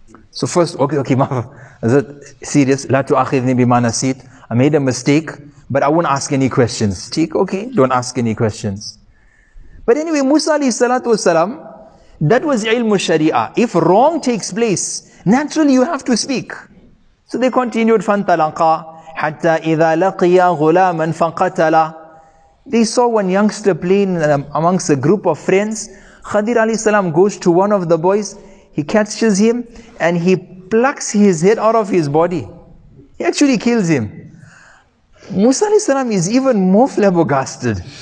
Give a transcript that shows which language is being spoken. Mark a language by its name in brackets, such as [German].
[English] So first, okay, ma'am. Is it serious? [Arabic] لَا تُعَخِذْنِي بِمَا نَسِيتْ. [English] I made a mistake, but I won't ask any questions. Okay, don't ask any questions. But anyway, Musa alayhi salatu wasalam, that was ilmu sharia. If wrong takes place, naturally you have to speak. So they continued, [Arabic] فَانْتَلَقَى حَتَّى إِذَا لَقِيَا غُلَامًا فَقَتَلَى. [English] They saw one youngster playing amongst a group of friends. Khadir alayhi salam goes to one of the boys, he catches him, and he plucks his head out of his body. He actually kills him. Musa alayhi salam is even more flabbergasted.